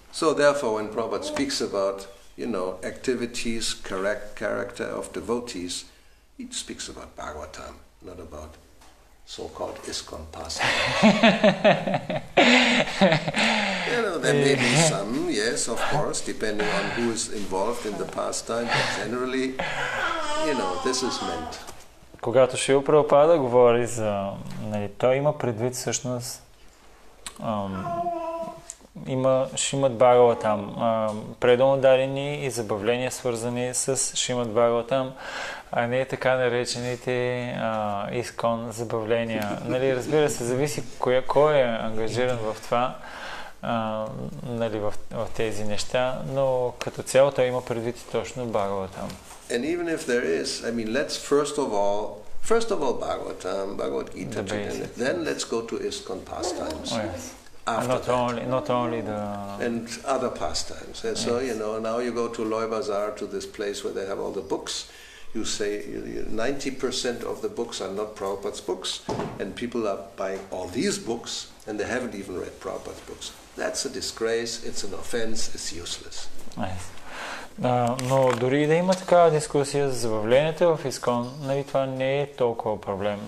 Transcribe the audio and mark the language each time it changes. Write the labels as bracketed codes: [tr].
[en] So therefore, when Prabhupada speaks about, you know, activities, correct character of devotees, he speaks about Bhagavatam, not about so-called ISKCON pastimes. You know, there may be some, yes, of course, depending on who is involved in the pastime, but generally, you know, this is meant. [bg] Когато Шрила Прабхупада говори за... Нали, той има предвид всъщност... има Шримад Бхагаватам, предълно дарени и забавления, свързани с Шримад Бхагаватам, а не така наречените ИСКОН забавления. Нали, разбира се, зависи кой е ангажиран в това, нали, в тези неща, но като цяло той има предвид точно Бхагаватам. [en] And even if there is, I mean, let's first of all Bhagavatam, Bhagavad Gita, the basics, then let's go to ISKCON pastimes. Oh, yes. Not only the... And other pastimes. And yes. So, you know, now you go to Loi Bazaar, to this place where they have all the books. You say 90% of the books are not Prabhupada's books, and people are buying all these books, and they haven't even read Prabhupada's books. That's a disgrace, it's an offense, it's useless. Yes. [bg] Но дори да има такава дискусия за забавленията в ИСКОН, нали, това не е толкова проблем.